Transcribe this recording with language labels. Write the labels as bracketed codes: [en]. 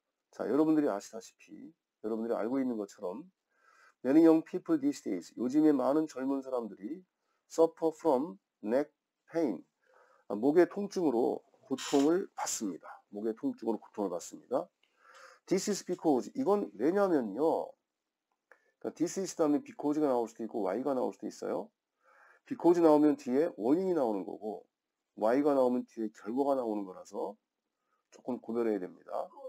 [ko] 자, 여러분들이 아시다시피, 여러분들이 알고 있는 것처럼 [en] many young people these days, [ko] 요즘에 많은 젊은 사람들이 [en] suffer from neck pain, [ko] 목의 통증으로 고통을 받습니다. 목의 통증으로 고통을 받습니다. [en] This is because, [ko] 이건 왜냐면요. This is 다음에 because가 나올 수도 있고 why가 나올 수도 있어요. because 나오면 뒤에 원인이 나오는 거고 why가 나오면 뒤에 결과가 나오는 거라서 조금 구별해야 됩니다.